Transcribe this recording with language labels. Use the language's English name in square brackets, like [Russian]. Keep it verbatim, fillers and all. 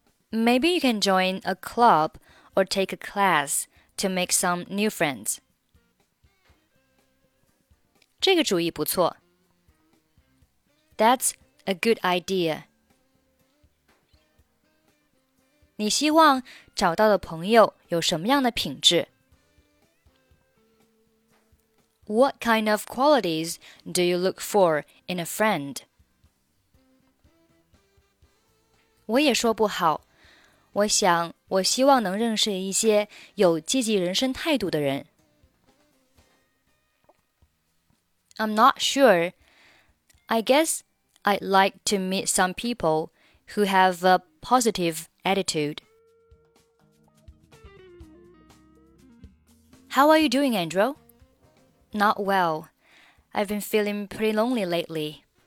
[English] Maybe you can join a club or take a class to make some new friends. [Chinese] 这个主意不错。 [English] That's a good idea. [Chinese] 你希望找到的朋友有什么样的品质？ [English] What kind of qualities do you look for in a friend? [Chinese] 我也说不好。我想，我希望能认识一些有积极人生态度的人。 [English] I'm not sure. I guess I'd like to meet some people who have a positive attitude. How are you doing, Andrew? Not well. I've been feeling pretty lonely lately.